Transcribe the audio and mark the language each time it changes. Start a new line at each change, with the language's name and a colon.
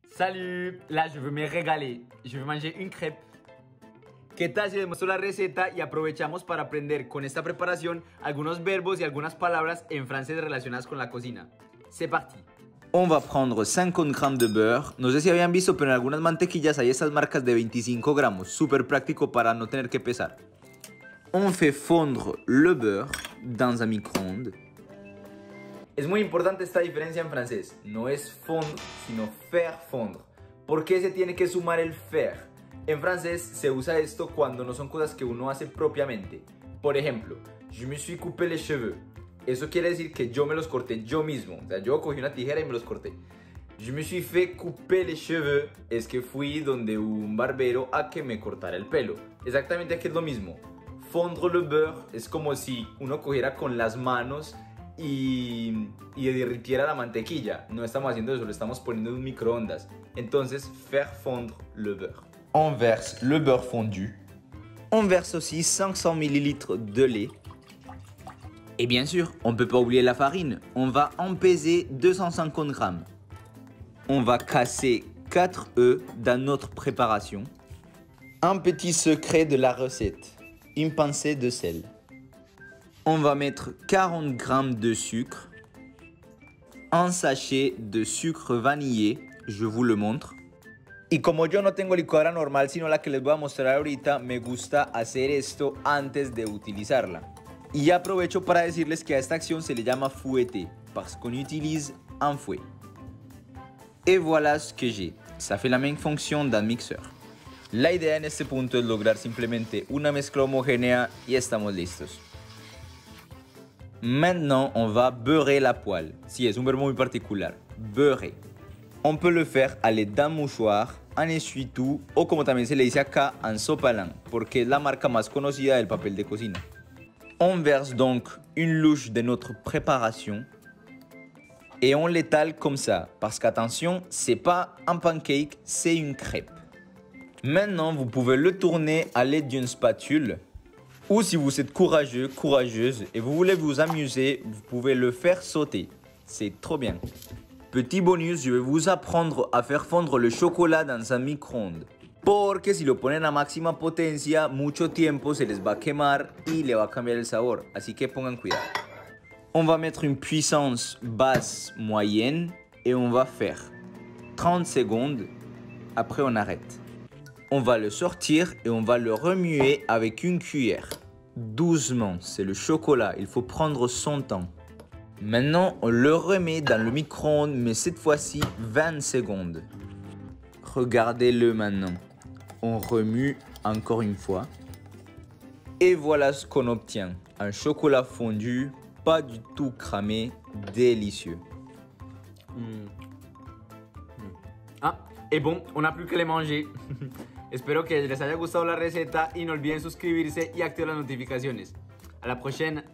French: Salut, là je veux me régaler, je veux manger une crêpe.
Spanish: ¿Qué tal si le muestro la receta y aprovechamos para aprender con esta preparación algunos verbos y algunas palabras en francés relacionadas con la cocina?
French: C'est parti. On va prendre 50 g de beurre.
Spanish: No sé si habían visto, pero en algunas mantequillas hay esas marcas de 25 gramos. Súper práctico para no tener que pesar.
French: On fait fondre le beurre dans un micro-ondes.
Spanish: Es muy importante esta diferencia en francés. No es fondre, sino faire fondre. ¿Por qué se tiene que sumar el faire? En francés se usa esto cuando no son cosas que uno hace propiamente. Por ejemplo,
French: je me suis coupé les cheveux.
Spanish: Eso quiere decir que yo me los corté yo mismo. O sea, yo cogí una tijera y me los corté.
French: Je me suis fait couper les cheveux.
Spanish: Es que fui donde un barbero a que me cortara el pelo. Exactamente aquí es lo mismo.
French: Fondre le beurre
Spanish: es como si uno cogiera con las manos y derritiera la mantequilla. No estamos haciendo eso, lo estamos poniendo en un microondas.
French: Entonces, faire fondre le beurre. On verse le beurre fondu. On verse aussi 500 ml de lait. Et bien sûr, on ne peut pas oublier la farine. On va empeser 250 g. On va casser 4 œufs dans notre préparation. Un petit secret de la recette. Une pincée de sel. On va mettre 40 g de sucre. Un sachet de sucre vanillé. Je vous le montre.
Spanish: Y como yo no tengo licuadora normal, sino la que les voy a mostrar ahorita, me gusta hacer esto antes de utilizarla. Y aprovecho para decirles que a esta acción se le llama fouetter,
French: parce qu'on utilise un fouet. Et voilà ce que j'ai. Ça fait la même fonction d'un mixeur.
Spanish: La idea en este punto es lograr simplemente una mezcla homogénea y estamos listos.
French: Maintenant, on va beurrer la poêle.
Spanish: Sí, es un verbo muy particular.
French: Beurrer. On peut le faire à l'aide d'un mouchoir, un essuie-tout ou comme
Spanish: también se le dice acá, un sopalin, porque es la marca más conocida del papel de cocina.
French: On verse donc une louche de notre préparation et on l'étale comme ça, parce qu'attention, c'est pas un pancake, c'est une crêpe. Maintenant, vous pouvez le tourner à l'aide d'une spatule ou si vous êtes courageux, courageuse et vous voulez vous amuser, vous pouvez le faire sauter. C'est trop bien. Petit bonus, je vais vous apprendre à faire fondre le chocolat dans un micro-ondes.
Spanish: Porque si lo ponen a máxima potencia, mucho tiempo se les va a quemar y le va a cambiar el sabor. Así que pongan cuidado.
French: On va mettre une puissance basse moyenne et on va faire 30 secondes. Après on arrête. On va le sortir et on va le remuer avec une cuillère. Doucement, c'est le chocolat, il faut prendre son temps. Maintenant, on le remet dans le micro-ondes, mais cette fois-ci 20 secondes. Regardez-le maintenant. On remue encore une fois. Et voilà ce qu'on obtient. Un chocolat fondu, pas du tout cramé, délicieux. Ah, et bon, on n'a plus qu'à les manger.
Spanish: Espero que les haya gustado la receta y no olviden suscribirse y activar las notificaciones.
French: À la prochaine.